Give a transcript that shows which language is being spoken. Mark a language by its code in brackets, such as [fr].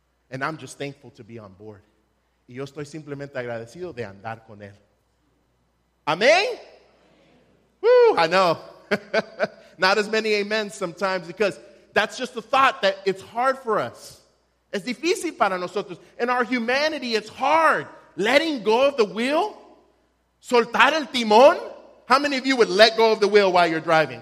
[en] And I'm just thankful to be on board. [es] Y yo estoy simplemente agradecido de andar con él. [en] Amén. Woo, I know. Not as many amens sometimes because that's just the thought that it's hard for us. [es] Es difícil para nosotros. [en] In our humanity, it's hard. Letting go of the wheel. [es] Soltar el timón. [en] How many of you would let go of the wheel while you're driving?